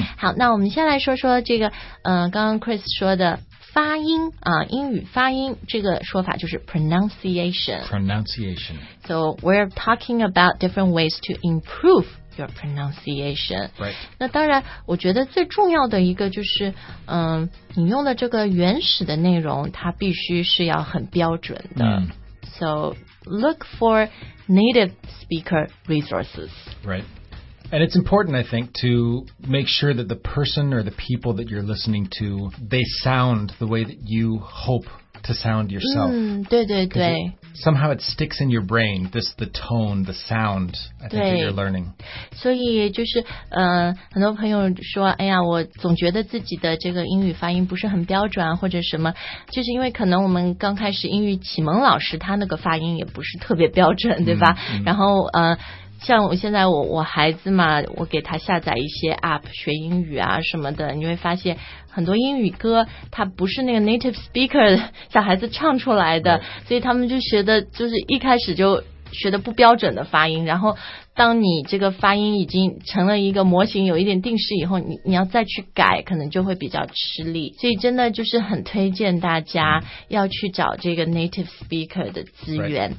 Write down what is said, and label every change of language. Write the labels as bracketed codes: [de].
[zh] 好，那我们先来说说这个刚刚 Chris 说的发音英语发音这个说法就是 pronunciation。 [en] pronunciation。 So we're talking about different ways to improve your pronunciation。 Right. [zh] 那当然，我觉得最重要的一个就是，你用的这个原始的内容，它必须是要很标准的。 [en] So look for native speaker resources. Right. And it's important, I think, to make sure that the person or the people that you're listening to, they sound the way that you hope to sound yourself. [zh] 对对对。 [en] Somehow it sticks in your brain, this, the tone, the sound, I think, that you're learning. [zh] 所以就是很多朋友说，哎呀，我总觉得自己的这个英语发音不是很标准或者什么，就是因为可能我们刚开始英语启蒙老师他那个发音也不是特别标准，对吧？然后像我现在我孩子嘛，我给他下载一些 app 学英语啊什么的，你会发现很多英语歌它不是那个 native speaker 小孩子唱出来的，所以他们就学的就是一开始就学的不标准的发音，然后当你这个发音已经成了一个模型有一点定式以后，你要再去改可能就会比较吃力，所以真的就是很推荐大家要去找这个 native speaker 的资源、